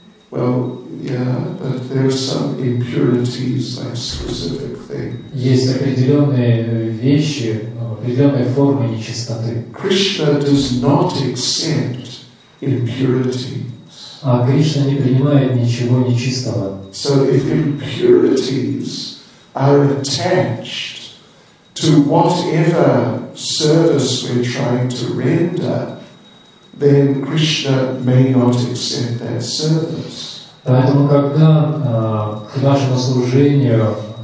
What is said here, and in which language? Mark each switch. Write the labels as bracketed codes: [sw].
[en] Well, yeah, but there are some impurities, like specific things. [ru] Есть определенные вещи, определенные формы нечистоты. [en] Krishna does not accept impurities. [ru] А Кришна не принимает ничего нечистого. [en] So if impurities are attached to whatever service we're trying to render, then Krishna may not accept that service. [ru] Поэтому, когда к нашему служению